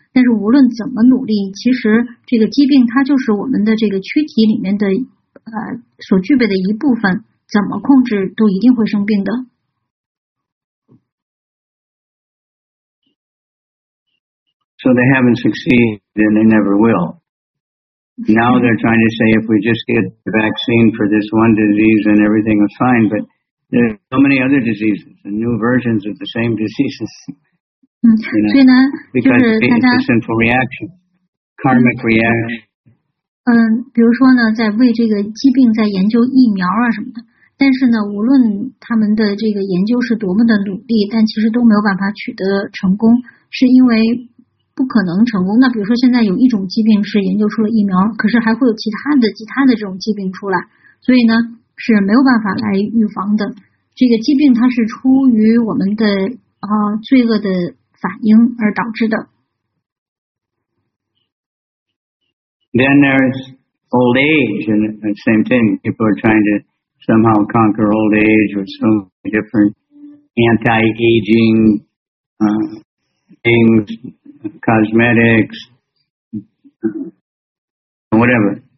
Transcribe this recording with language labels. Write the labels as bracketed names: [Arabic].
[Chinese] 但是无论怎么努力，其实这个疾病它就是我们的这个躯体里面的所具备的一部分，怎么控制都一定会生病的。 [English] So they haven't succeeded and they never will. Now they're trying to say if we just get the vaccine for this one disease and everything is fine, but there's so many other diseases and new versions of the same diseases. [Chinese] 所以呢，就是大家 [English] sinful reaction, karmic reaction. [Chinese] 比如说呢，在为这个疾病在研究疫苗啊什么的，但是呢，无论他们的这个研究是多么的努力，但其实都没有办法取得成功，是因为不可能成功。那比如说现在有一种疾病是研究出了疫苗，可是还会有其他的这种疾病出来，所以呢是没有办法来预防的。这个疾病它是出于我们的罪恶的反应而导致的。 [English] Then there's old age, and the same thing. People are trying to somehow conquer old age with so many different anti-aging things, cosmetics, whatever.